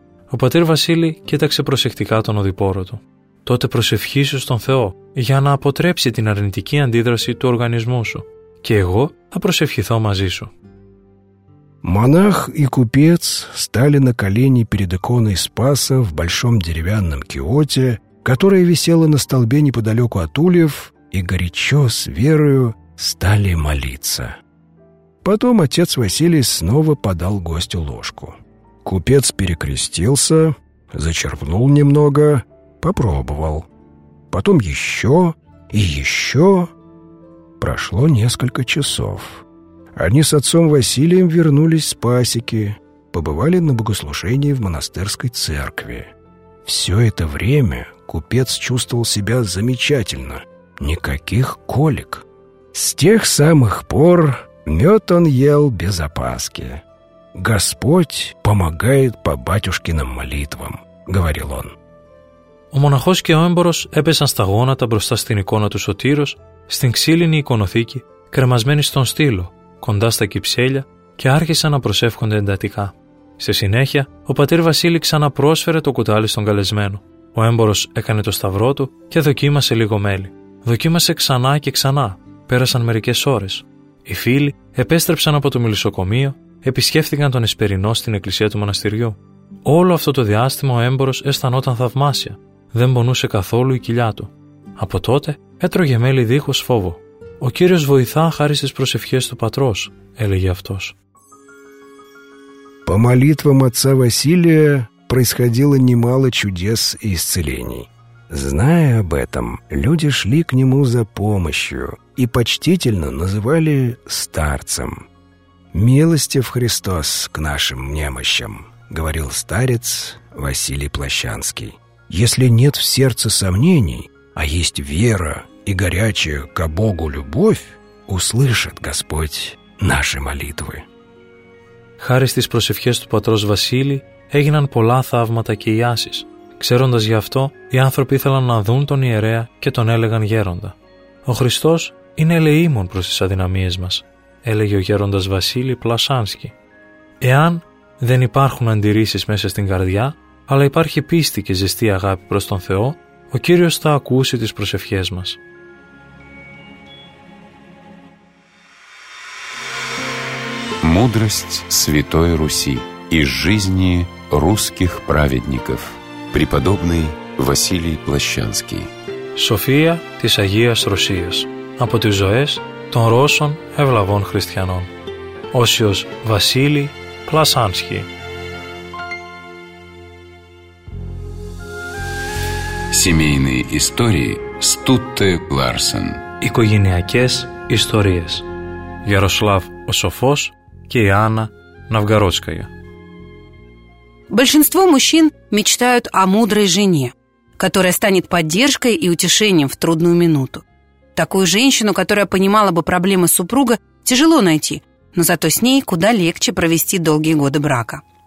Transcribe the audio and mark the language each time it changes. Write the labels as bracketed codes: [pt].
[el] Ο πατήρ Βασίλη κοίταξε προσεκτικά τον οδηπόρο του. «Τότε προσευχήσου στον Θεό για να αποτρέψει την αρνητική αντίδραση του οργανισμού σου και εγώ θα προσευχηθώ μαζί σου». [ru] Монах и купец стали на колени перед иконой Спаса в большом деревянном киоте, которая висела на столбе неподалеку от ульев, и горячо с верою стали молиться. Потом отец Василий снова подал гостю ложку. Купец перекрестился, зачерпнул немного, попробовал. Потом еще и еще. Прошло несколько часов. Они с отцом Василием вернулись с пасеки, побывали на богослужении в монастырской церкви. Все это время купец чувствовал себя замечательно, никаких колик. С тех самых пор мед он ел без опаски. «Господь помогает по батюшкиным молитвам», — говорил он. [el] Ο μοναχός και ο έμπορος έπεσαν στα γόνατα μπροστά στην εικόνα του Σωτήρος, στην ξύλινη εικονοθήκη, κρεμασμένη στον στήλο, κοντά στα κυψέλια και άρχισαν να προσεύχονται εντατικά. Στη συνέχεια, ο πατήρ Βασίλη ξαναπρόσφερε το κουτάλι στον καλεσμένο. Ο έμπορος έκανε το σταυρό του και δοκίμασε λίγο μέλι. Δοκίμασε ξανά και ξανά. Πέρασαν μερικές ώρες. Οι φίλοι επέστρεψαν από το μελισσοκομείο, επισκέφθηκαν τον Εσπερινό στην εκκλησία του μοναστηριού. Όλο αυτό το διάστημα ο έμπορος αισθανόταν θαυμάσια. Δεν πονούσε καθόλου η κοιλιά του. Από τότε έτρωγε μέλι δίχως φόβο. «Ο Κύριος βοηθά χάρη στις προσευχές του πατρός», έλεγε αυτός. [ru] По молитвам отца Василия происходило немало чудес и исцелений. Зная об этом, люди шли к нему за помощью и почтительно называли старцем. «Милостив Христос к нашим немощам», — говорил старец Василий Плащанский. если нет в сердце сомнений, а есть вера и горячая ко Богу любовь, услышит Господь наши молитвы. [el] Χάρη στις προσευχές του πατρός Βασίλη έγιναν πολλά θαύματα και ιάσεις. Ξέροντας γι' αυτό, οι άνθρωποι ήθελαν να δουν τον ιερέα και τον έλεγαν γέροντα. «Ο Χριστός είναι ελεήμων προς τις αδυναμίες μας», έλεγε ο γέροντας Βασίλη Πλασάνσκι. «Εάν δεν υπάρχουν αντιρρήσεις μέσα στην καρδιά, αλλά υπάρχει πίστη και ζεστή αγάπη προς τον Θεό, ο Κύριος θα ακούσει τις προσευχές μας». [ru] Мудрость Святой Руси из жизни русских праведников. Преподобный Василий Плащанский. [el] София της Агίας Ρωσίας. Από τις ζωές των Ρώσων ευλαβών χριστιανών. Όσιος Βασίλη Πλασάνσκι. [ru] Семейные истории Стутте Ларсен. [el] Οικογενειακές ιστορίες. Ярослав ο Σοφός και η Άννα Ναυγαρότσκαγια. [ru] Большинство мужчин мечтают о мудрой жене, которая станет поддержкой и утешением в трудную минуту. Такую женщину, которая понимала бы проблемы супруга, тяжело найти, но зато с ней куда легче провести долгие годы брака.